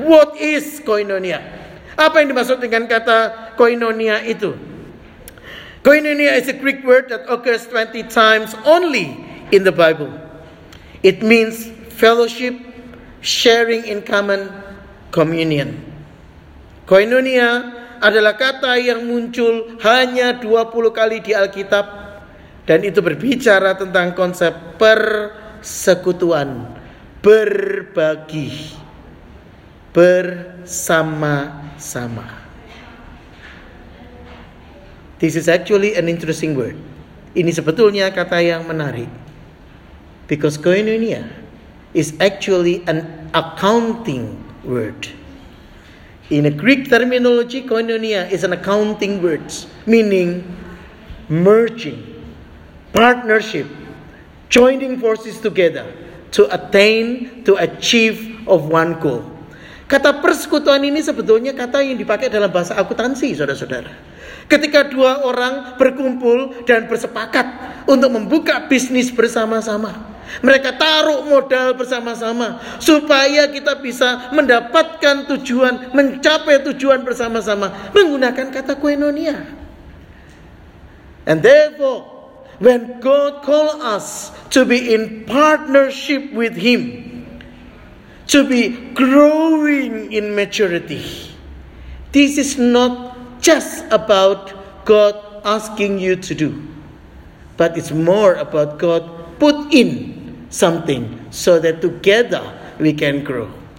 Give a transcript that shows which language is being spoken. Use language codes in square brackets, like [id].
[en] What is koinonia? [id] Apa yang dimaksud dengan kata koinonia itu? [en] Koinonia is a Greek word that occurs 20 times only in the Bible. It means fellowship, sharing in common, communion. [id] Koinonia adalah kata yang muncul hanya 20 kali di Alkitab. Dan itu berbicara tentang konsep persekutuan, berbagi, bersama-sama. [en] This is actually an interesting word. [id] Ini sebetulnya kata yang menarik. [en] Because koinonia is actually an accounting word. In a Greek terminology, koinonia is an accounting word, meaning merging, partnership, joining forces together to attain, to achieve of one goal. [id] Kata persekutuan ini sebetulnya kata yang dipakai dalam bahasa akuntansi, saudara-saudara. Ketika dua orang berkumpul dan bersepakat untuk membuka bisnis bersama-sama, mereka taruh modal bersama-sama supaya kita bisa mendapatkan tujuan, mencapai tujuan bersama-sama menggunakan kata koinonia. [en] And therefore, when God call us to be in partnership with Him, to be growing in maturity, this is not just about God asking you to do, but it's more about God put in something so that together we can grow.